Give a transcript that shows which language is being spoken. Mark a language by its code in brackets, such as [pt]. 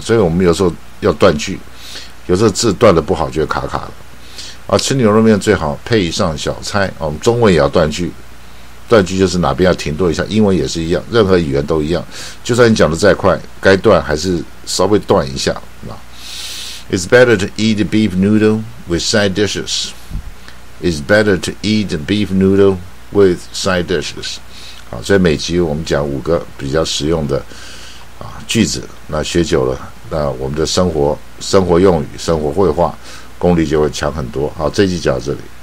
[zh] 所以我们有时候要断句，有时候字断得不好就卡卡了。啊，吃牛肉面最好配上小菜。啊，我们中文也要断句。断句就是哪边要停顿一下，英文也是一样，任何语言都一样，就算你讲得再快，该断还是稍微断一下。 [en] It's better to eat beef noodle with side dishes. It's better to eat beef noodle with side dishes. [zh] 好，所以每集我们讲五个比较实用的、啊、句子，那学久了，那我们的生活用语、生活会话功力就会强很多。好，这集讲到这里。